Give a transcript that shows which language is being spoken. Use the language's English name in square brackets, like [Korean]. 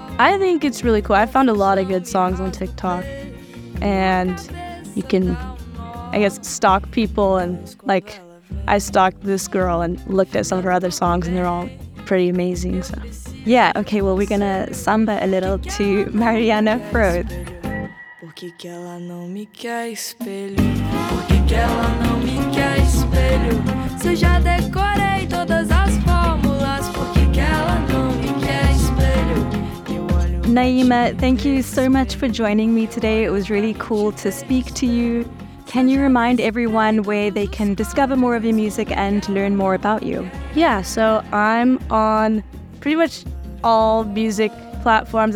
[English] I think it's really cool. I found a lot of good songs on TikTok, and you can, I guess, stalk people, and like I stalked this girl and looked at some of her other songs, and they're all pretty amazing. So yeah, okay, well, we're gonna samba a little to Mariana Froth. [Portuguese] Porque que ela não me quer espelho? Porque que ela não me quer espelho? Se já decorei todas as fórmulas, porque que ela não me quer espelho? [English] Naima, thank you so much for joining me today. It was really cool to speak to you. Can you remind everyone where they can discover more of your music and learn more about you? Yeah, so I'm on pretty much all music platforms.